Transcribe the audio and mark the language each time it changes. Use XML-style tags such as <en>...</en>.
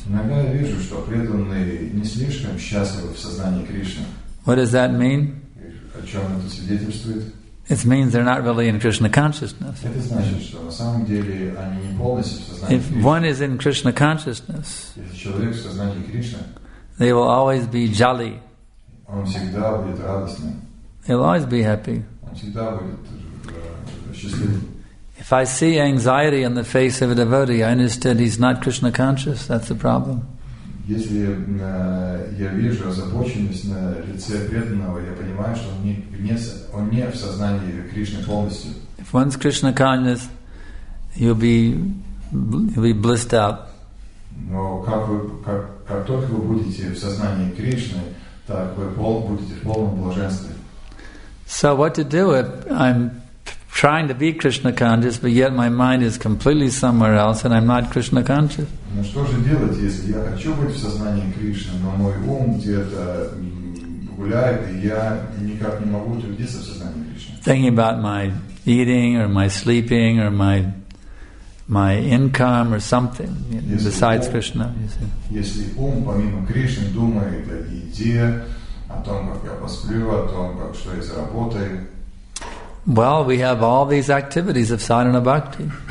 <ru>Иногда я вижу, что преданные не слишком счастливы в сознании Кришны.</ru> <en>What does that mean?</en> <ru>О чем это свидетельствует?</ru> <en>It means they're not really in Krishna consciousness.</en> <ru>Это значит, что на самом деле они не полностью в сознании</ru> <en>If</en> <ru>Кришны.</ru> <en>If one is in Krishna consciousness,</en> <ru>если человек в сознании Кришны,</ru> <en>they will always be jolly.</en> <ru>Он всегда будет радостным.</ru> <en>He'll always be happy.</en> <ru>Он всегда будет счастливым.</ru> <en>If I see anxiety on the face of a devotee, I understand he's not Krishna conscious. That's the problem.</en> <ru>Если я вижу озабоченность на лице преданного, я понимаю, что он не в сознании Кришны полностью.</ru> <en>If one's Krishna conscious, you'll be blissed out.</en> <ru>Но как только вы будете в сознании Кришны, так вы будете в полном блаженстве.</ru> <en>So what to do if I'm trying to be Krishna conscious, but yet my mind is completely somewhere else, and I'm not Krishna conscious.</en> <ru>Ну что же делать, если я хочу быть в сознании Кришны, но мой ум где-то гуляет, и я никак не могу утвердиться в сознании Кришны?</ru> <en>Thinking about my eating or my sleeping or my income or something besides Krishna.</en> <ru>Если ум помимо Кришны думает о еде, о том, как я посплю, о том, как что я заработаю.</ru> <en>Well, we have all these activities of sadhana bhakti.</en>